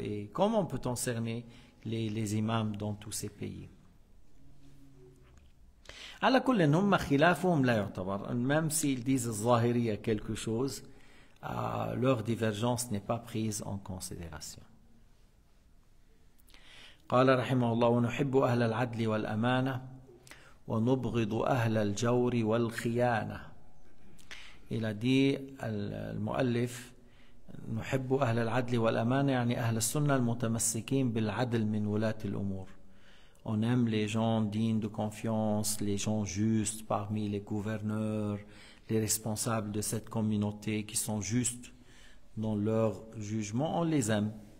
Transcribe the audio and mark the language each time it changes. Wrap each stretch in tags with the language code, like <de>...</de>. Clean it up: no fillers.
<fr>Et comment peut-on cerner les imams dans tous ces pays?</fr> <ar>À la kulli, hum khilafuhum la yu'tabar.</ar> <fr>Même s'ils disent zahiriya quelque chose, leur divergence n'est pas prise en considération.</fr> <ar>قال رحمه الله ونحب أهل العدل والأمانة ونبغض أهل الجور والخيانة.</ar> <fr>Il a dit,</fr> <ar>المؤلف, نحب أهل العدل والأمانة يعني أهل السنة المتمسكين بالعدل من ولاة الأمور.</ar> <fr>On aime les gens dignes de confiance, les gens justes parmi les gouverneurs, les responsables de cette communauté qui sont justes dans leur jugement, on les aime.</fr>